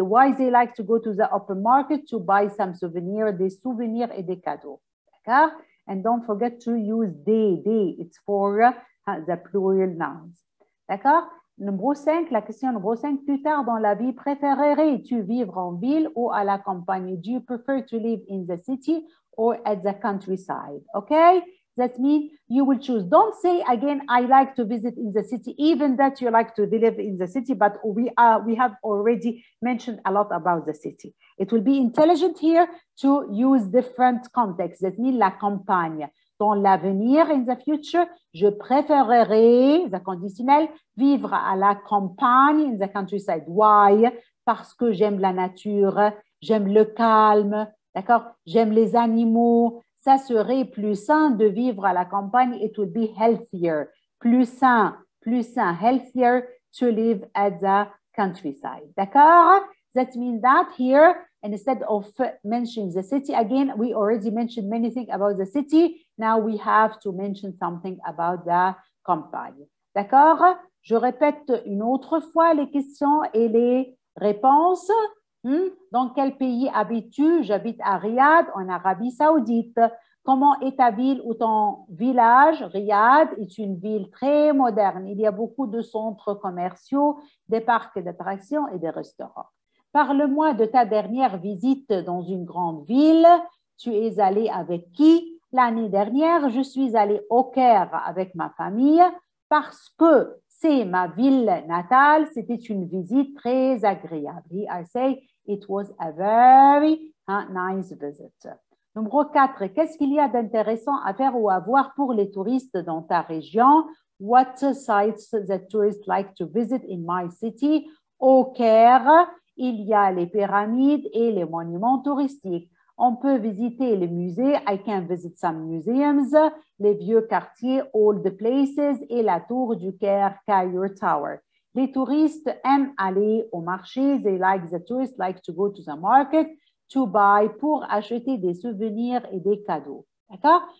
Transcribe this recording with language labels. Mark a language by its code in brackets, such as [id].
[en] Why they like to go to the open market to buy some souvenirs, [fr] des souvenirs et des cadeaux. D'accord? [en] And don't forget to use they. They, it's for the plural nouns. D'accord? [fr] Numéro 5, la question numéro 5, plus tard dans la vie, préférerais-tu vivre en ville ou à la campagne? [en] Do you prefer to live in the city or at the countryside? Okay, that means you will choose. Don't say again, I like to visit in the city, even that you like to live in the city, but we have already mentioned a lot about the city. It will be intelligent here to use different contexts. That means la campagne. Dans l'avenir, in the future, [fr] je préférerais, [en] the conditionnel, [fr] vivre à la campagne, [en] in the countryside. Why? [fr] Parce que j'aime la nature, j'aime le calme, d'accord? J'aime les animaux. Ça serait plus sain de vivre à la campagne. [en] It would be healthier, [fr] plus sain, [en] healthier to live at the countryside. D'accord? That means that here, instead of mentioning the city again, we already mentioned many things about the city. Now we have to mention something about the campagne. [fr] D'accord? Je répète une autre fois les questions et les réponses. Hmm? Dans quel pays habites-tu? J'habite à Riyad, en Arabie Saoudite. Comment est ta ville ou ton village? Riyad est une ville très moderne. Il y a beaucoup de centres commerciaux, des parcs d'attractions et des restaurants. Parle-moi de ta dernière visite dans une grande ville. Tu es allé avec qui? L'année dernière, je suis allée au Caire avec ma famille parce que c'est ma ville natale. C'était une visite très agréable. [en] I say it was a very nice visit. [fr] Numéro 4, qu'est-ce qu'il y a d'intéressant à faire ou à voir pour les touristes dans ta région? [en] What sites that tourists like to visit in my city? [fr] Au Caire, il y a les pyramides et les monuments touristiques. On peut visiter les musées. [en] I can visit some museums, [fr] les vieux quartiers, [en] old places [fr] et la tour du Caire, Cairo Tower. Les touristes aiment aller au marché. [en] They like the tourists like to go to the market to buy [fr] pour acheter des souvenirs et des cadeaux. D'accord?